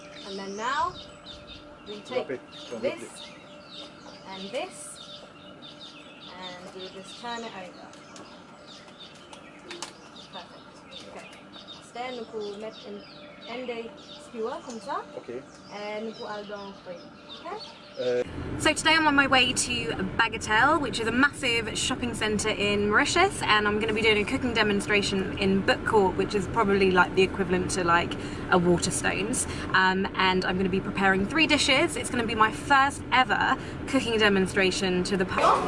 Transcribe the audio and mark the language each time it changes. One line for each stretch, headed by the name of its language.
English: And then now, we take this and this and we just turn it over. Perfect. Ok.
French: Après, nous pouvons mettre un end skewer comme ça. Ok. Et nous pouvons aller dans le frigo. Ok?
English: So today I'm on my way to Bagatelle, which is a massive shopping centre in Mauritius, and I'm going to be doing a cooking demonstration in Book Court, which is probably like the equivalent to like a Waterstones. And I'm going to be preparing three dishes. It's going to be my first ever cooking demonstration to the public.